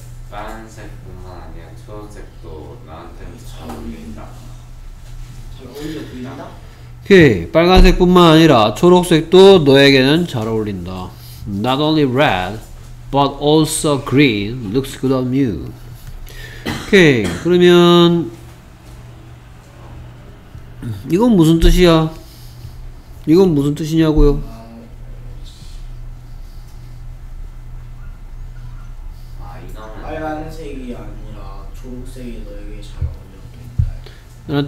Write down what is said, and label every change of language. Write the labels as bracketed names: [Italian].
[Korean] 빨간색뿐만 아니라 초록색도 나한테 잘 어울린다. 잘 어울려 보인다? 오케이. 빨간색뿐만 아니라 초록색도 너에게는 잘 어울린다. [English] Not only red, but also green looks good on you. [Korean] 오케이. 그러면 이건 무슨 뜻이야? 이건 무슨 뜻이냐고요? 빨간색이 아니라 초록색이 너에게 잘 어울려도